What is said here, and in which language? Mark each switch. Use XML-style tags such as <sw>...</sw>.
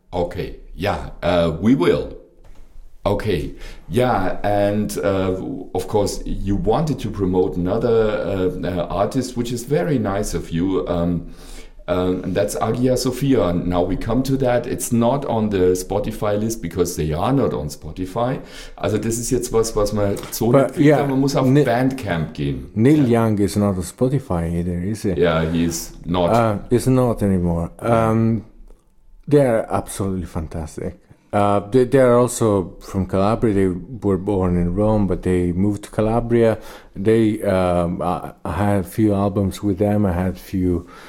<en>Okay. Yeah. We will. Okay. Yeah. And of course, you wanted to promote another artist, which is very nice of you. And that's Agia Sophia. Now we come to that. It's not on the Spotify list because they are not on Spotify.</en> <de>Also,</de> <en>this is</en> <de>jetzt was man so nicht kriegt.</de> <en>Yeah,</en> <de>man muss auf Bandcamp gehen.</de> <en>Neil Young is not on Spotify either, is he? Yeah, he's not. He's not anymore. They are absolutely fantastic. They are also from Calabria. They were born in Rome, but they moved to Calabria. They I had a few albums with them. I had a few.</en>